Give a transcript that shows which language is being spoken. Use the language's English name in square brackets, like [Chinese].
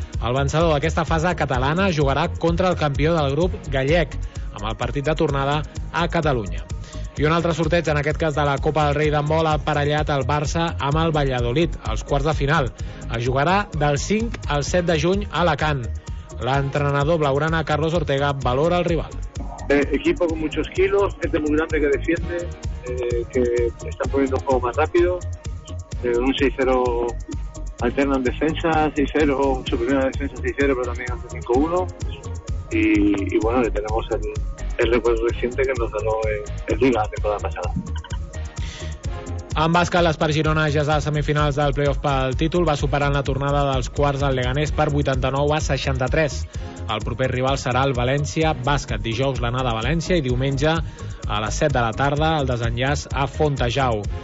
[Catalan] El vencedor d'aquesta fase catalana jugarà contra el campió del grup gallec, amb el partit de tornada a Catalunya. I un altre sorteig, en aquest cas de la Copa del Rei d'handbol, ha aparellat el Barça amb el Valladolid, als quarts de final. Es jugarà del 5 al 7 de juny a Alacant. L'entrenador blaugrana Carlos Ortega valora el rival. [Spanish] Equipo con muchos kilos, gente muy grande que defiende, que está poniendo un juego más rápido. Un 6-0 alterna en defensa, 6-0, su primera defensa 6-0, pero también hace 5-1. Y bueno, le tenemos el recuerdo reciente que nos ganó el Liga la temporada pasada. [Catalan] En bàsquet, l'Espart Girona ja és a semifinals del play-off pel títol. Va superar en la tornada dels quarts al Leganés per 89-63. El proper rival serà el València Bàsquet. Dijous l'anada a València i diumenge a les 7 de la tarda el desenllaç a Fontajau.